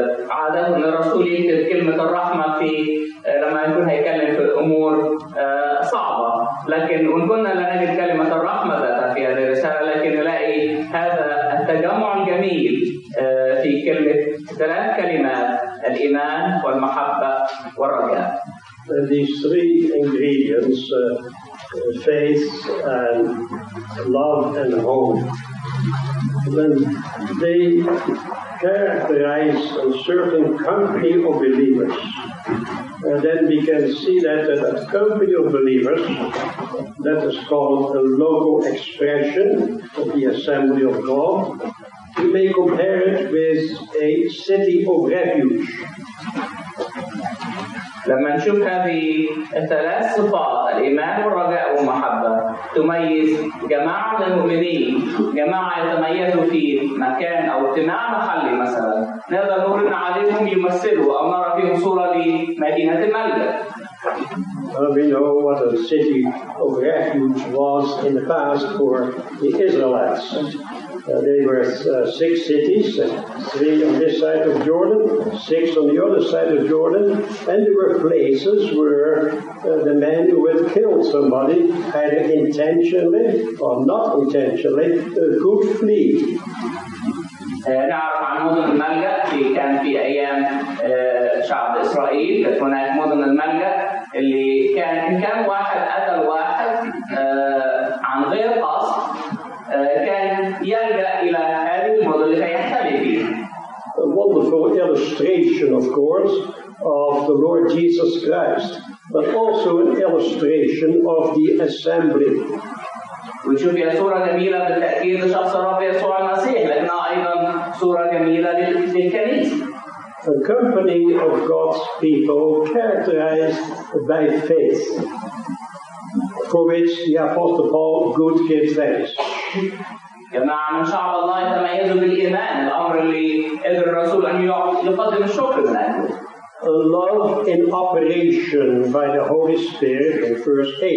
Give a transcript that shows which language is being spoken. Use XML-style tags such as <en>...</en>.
<ar>عادة الرسول يكتب كلمة الرحمة في لما يكون هيكلم في أمور صعبة، لكن إن كنا لا نجد كلمة الرحمة ذاتها في هذه الرسالة، لكن نلاقي هذا التجمع الجميل في كلمة ثلاث كلمات: الإيمان والمحبة والرجاء.</ar> <en>And these three ingredients, faith and love and hope, when they characterize a certain company of believers, and then we can see that a company of believers, that is called a local expression of the assembly of God, you may compare it with a city of refuge.</en> <ar>لما نشوف هذه الثلاث صفات الإيمان والرجاء والمحبة تميز جماعة المؤمنين جماعة يتميزوا في مكان أو اجتماع محلي مثلا نقدر نقول إن عليهم يمثلوا أو نرى فيهم صورة لمدينة الملك.</ar> <en>We know what a city of refuge was in the past for the Israelites. They were six cities, three on this side of Jordan, six on the other side of Jordan, and there were places where the men who had killed somebody, either intentionally or not intentionally, could flee.</en> <ar>نعرف عن مدن الملجأ في كان في أيام شعب إسرائيل هناك مدن الملجأ اللي كان إن كان واحد أتى واحد عن غير قصد كان يلجأ إلى هذه المدن فيحتمي فيها.</ar> <en>A wonderful illustration, of course, of the Lord Jesus Christ, but also an illustration of the assembly.</en> <ar>ونشوف هي صورة جميلة بالتأكيد لشخص الرب يسوع المسيح لأنها أيضا صورة جميلة للكنيسة.</ar> <en>A company of God's people characterized by faith, for which the Apostle Paul could give thanks.</en> <ar>جماعة من شعب الله يتميزوا بالإيمان الأمر اللي قدر الرسول أن يقدم الشكر له.</ar> <en>A love in operation by the Holy Spirit in verse</en>